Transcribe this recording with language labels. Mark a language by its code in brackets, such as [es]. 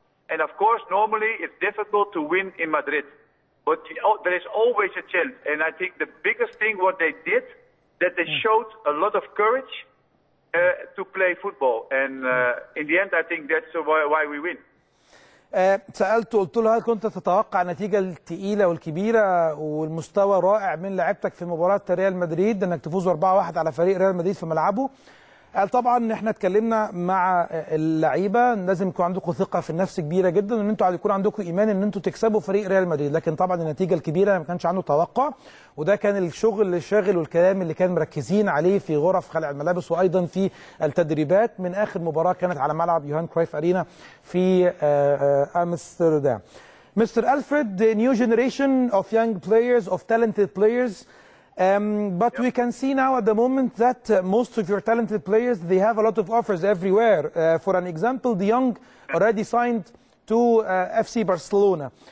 [en] And of course, normally it's difficult to win in Madrid, but there is always a chance. And I think the biggest thing what they did, that they showed a lot of courage to play football. And in the end, I think that's why we win. [ar] سألته قلت له هل كنت تتوقع نتيجة التقيلة والكبيرة والمستوى رائع من لعبتك في مباراة ريال مدريد انك تفوز 4-1 على فريق ريال مدريد في ملعبه؟ قال طبعا احنا اتكلمنا مع اللعيبة، لازم يكون عندكم ثقة في النفس كبيرة جدا، ان انتوا يكون عندكم ايمان ان انتوا تكسبوا فريق ريال مدريد، لكن طبعا النتيجة الكبيرة ما كانش عنده توقع، وده كان الشغل الشاغل والكلام اللي كان مركزين عليه في غرف خلع الملابس وايضا في التدريبات من اخر مباراة كانت على ملعب يوهان كرويف ارينا في امستردام. [en] Mister Alfred, the new generation of young players, of talented players, but we can see now at the moment that most of your talented players, they have a lot of offers everywhere. For an example, De Jong already signed to FC Barcelona.